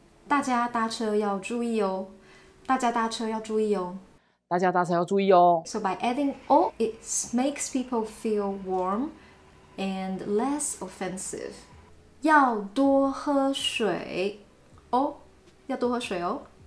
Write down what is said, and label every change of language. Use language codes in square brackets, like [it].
[zh] 大家搭车要注意哦，大家搭车要注意哦，大家搭车要注意哦。 [en] So by adding all, it makes people feel warm and less offensive. [zh] 要多喝水哦，要多喝水哦。